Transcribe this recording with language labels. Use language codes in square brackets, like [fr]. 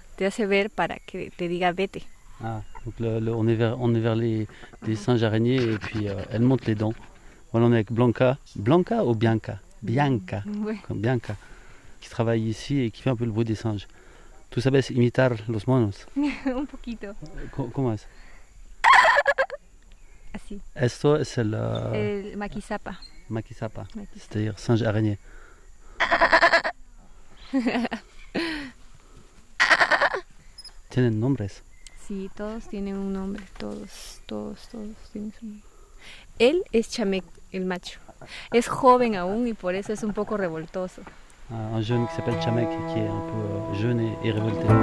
[es] Te hace ver para que te diga vete. [fr] Ah, donc on est vers les singes araignées et puis elle monte les dents. Voilà, on est avec Blanca. Blanca ou Bianca? Bianca. Oui. Comme Bianca. Qui travaille ici et qui fait un peu le bruit des singes. [es] Tu sabes imitar los monos? Un poquito. ¿Cómo es? Así. Esto es el... El maquisapa. Maquisapa. Maquisapa. [fr] C'est-à-dire singe araignée. [es] ¿Tienen nombres? Sí, todos tienen un nombre. Todos tienen su nombre. Él es chamec, el macho. Es joven aún y por eso es un poco revoltoso. [fr] Un jeune qui s'appelle Chamek et qui est un peu jeune et révolté.